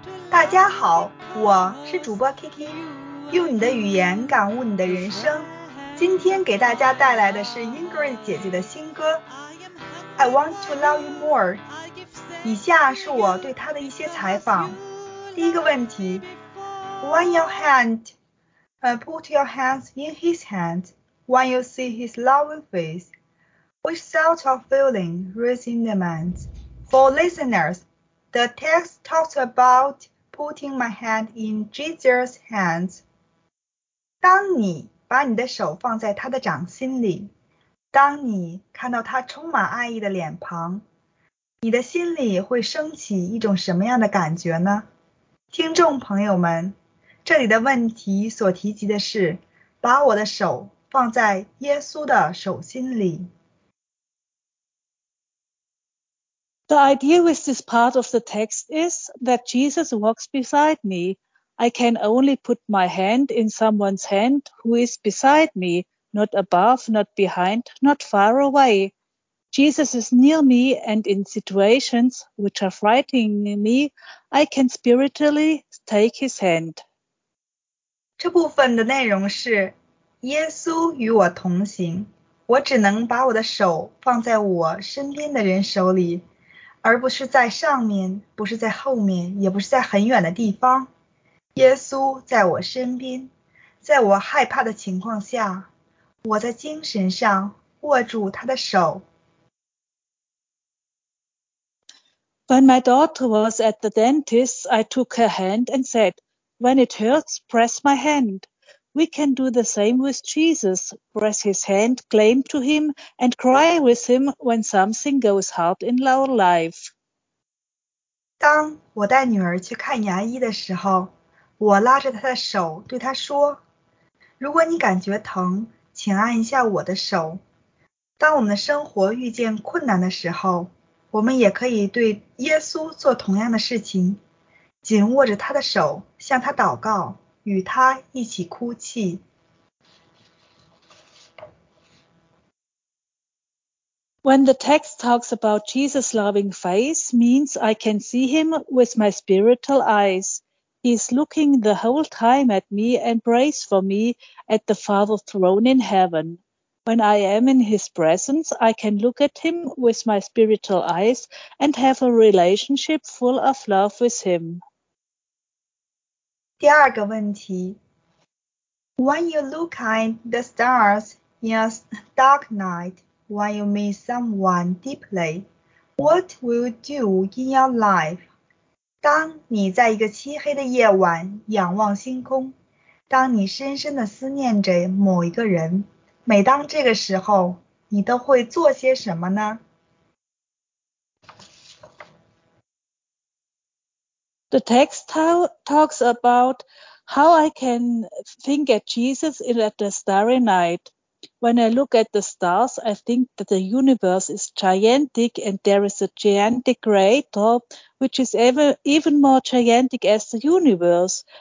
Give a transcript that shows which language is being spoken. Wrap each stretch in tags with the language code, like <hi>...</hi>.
<zh>大家好，我是主播 Kiki， 用你的语言感悟你的人生。今天给大家带来的是 Ingrid 姐姐的新歌 I want to love you more。以下是我对她的一些采访。第一个问题，</zh> <en>When your hand put your hands in his hand, when you see his loving face, which sort of feeling rises in the mind? For listeners, the text talks aboutputting my hand in Jesus' hands.</en> <zh>当你把你的手放在他的掌心里，当你看到他充满爱意的脸庞，你的心里会升起一种什么样的感觉呢？听众朋友们，这里的问题所提及的是把我的手放在耶稣的手心里。</zh> <en>The idea with this part of the text is that Jesus walks beside me. I can only put my hand in someone's hand who is beside me, not above, not behind, not far away. Jesus is near me, and in situations which are frightening me, I can spiritually take his hand.</en> <zh>这部分的内容是耶稣与我同行，我只能把我的手放在我身边的人手里，而不是在上面，不是在后面，也不是在很远的地方。耶稣在我身边，在我害怕的情况下，我在精神上握住他的手。</zh> <en>When my daughter was at the dentist, I took her hand and said, When it hurts, press my hand. We can do the same with Jesus, press his hand, claim to him, and cry with him when something goes hard in our life.</en> <zh>当我带女儿去看牙医的时候，我拉着她的手对她说，如果你感觉疼，请按一下我的手。当我们的生活遇见困难的时候，我们也可以对耶稣做同样的事情，紧握着他的手，向他祷告，与他一起哭泣。</zh> <en>When the text talks about Jesus' loving face, means I can see him with my spiritual eyes. He is looking the whole time at me and prays for me at the Father's throne in heaven. When I am in his presence, I can look at him with my spiritual eyes and have a relationship full of love with him.</en> <zh>第二个问题，</zh> <en>When you look at the stars in a dark night, when you meet someone deeply, what will you do in your life?</en> <zh>当你在一个漆黑的夜晚仰望星空，当你深深地思念着某一个人，每当这个时候，你都会做些什么呢？</zh> <en>The text talks about how I can think at Jesus in at the starry night. When I look at the stars, I think that the universe is gigantic and there is a gigantic creator which is even more gigantic as the universe.</en>